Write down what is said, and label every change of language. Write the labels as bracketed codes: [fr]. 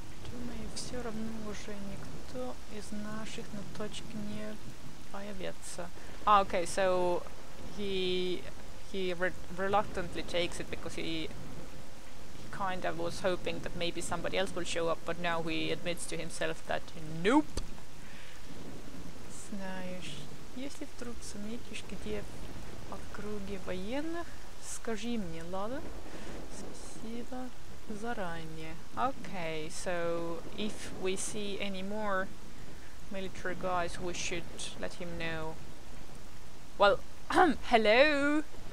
[ru] Думаю, все равно уже никто из наших на точке не появится. [en] Ah, okay, so he reluctantly takes it because he kind of was hoping that maybe somebody else will show up, but now he admits to himself that nope. [ru] Знаешь, если вдруг заметишь, где в округе военных, скажи мне, ладно? Спасибо заранее. [en] Okay, so if we see any more military guys, we should let him know. Well, hello!